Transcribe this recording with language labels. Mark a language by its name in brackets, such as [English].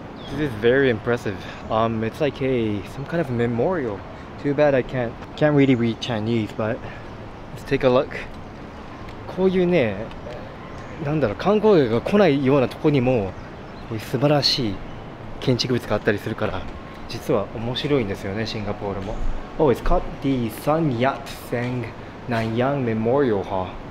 [English] This is very impressive. It's like some kind of memorial. Too bad I can't really read Chinese, but let's take a look. [Japanese] こういうね、 なんだろう、観光客が来ないようなとこにも こういう素晴らしい建築物があったりするから実は面白いんですよね、シンガポールも。 [English] Oh, it's called the Sun Yat-sen Nanyang Memorial, huh?